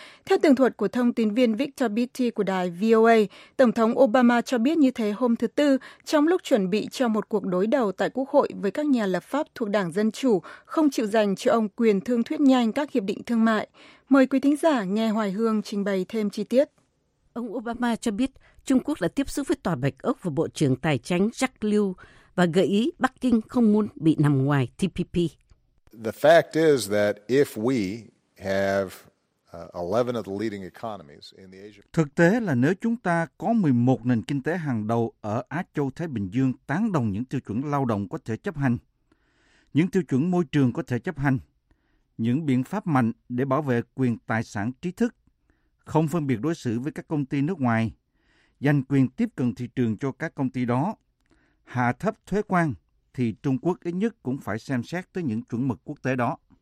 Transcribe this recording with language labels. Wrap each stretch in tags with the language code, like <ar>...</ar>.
<vi>Theo tường thuật của thông tín viên Victor Beatty của đài VOA, Tổng thống Obama cho biết như thế hôm thứ Tư trong lúc chuẩn bị cho một cuộc đối đầu tại Quốc hội với các nhà lập pháp thuộc Đảng Dân Chủ không chịu dành cho ông quyền thương thuyết nhanh các hiệp định thương mại. Mời quý thính giả nghe Hoài Hương trình bày thêm chi tiết. Ông Obama cho biết Trung Quốc đã tiếp xúc với Tòa Bạch Ốc và Bộ trưởng Tài chánh Jack Lew và gợi ý Bắc Kinh không muốn bị nằm ngoài TPP.</vi> <en>The fact is that if we have 11 of the leading economies in the Asia.</en> <vi>Thực tế là nếu chúng ta có 11 nền kinh tế hàng đầu ở Á Châu Thái Bình Dương tán đồng những tiêu chuẩn lao động có thể chấp hành, những tiêu chuẩn môi trường có thể chấp hành, những biện pháp mạnh để bảo vệ quyền tài sản trí thức, không phân biệt đối xử với các công ty nước ngoài, dành quyền tiếp cận thị trường cho các công ty đó, hạ thấp thuế quan, thì Trung Quốc ít nhất cũng phải xem xét tới những chuẩn mực quốc tế đó.</vi>